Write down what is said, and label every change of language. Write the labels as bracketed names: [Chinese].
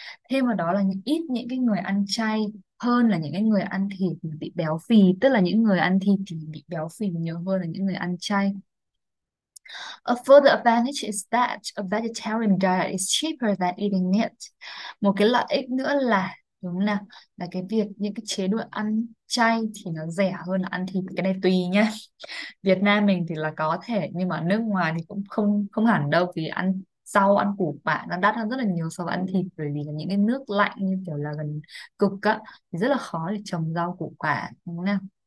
[Vietnamese] Thêm vào đó là ít những cái người ăn chay hơn là những cái người ăn thịt bị béo phì, tức là những người ăn thịt thì bị béo phì nhiều hơn là những người ăn chay. [English] A further advantage is that a vegetarian diet is cheaper than eating meat. [Vietnamese] Một cái lợi ích nữa là đúng nào, là cái việc những cái chế độ ăn chay thì nó rẻ hơn là ăn thịt. Cái này tùy nhá. Việt Nam mình thì là có thể, nhưng mà nước ngoài thì cũng không không hẳn đâu, vì ăn rau ăn củ quả nó đắt hơn rất là nhiều so với ăn thịt, bởi vì là những cái nước lạnh như kiểu là gần cực á thì rất là khó để trồng rau củ quả, đúng không nào?